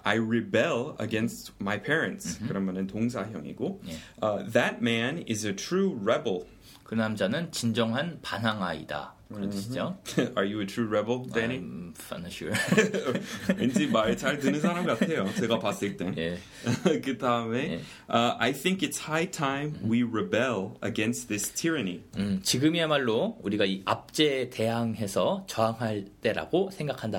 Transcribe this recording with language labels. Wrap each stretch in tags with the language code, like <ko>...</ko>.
<en>I rebel against my parents.</en> <ko>그러면은 동사형이고</ko> <en>yeah. That man is a true rebel.</en> <ko>그 남자는 진정한 반항아이다. 그런 뜻이죠.</ko> <en>Are you a true rebel, Danny? I'm not sure.</en> <ko>왠지 말 잘 듣는 사람 같아요. 제가 봤을 땐. 예. 그 다음에 예.</ko> <en>I think it's high time we rebel against this tyranny.</en> <ko>지금이야말로 우리가 이 압제에 대항해서 저항할 때라고 생각한다.</ko>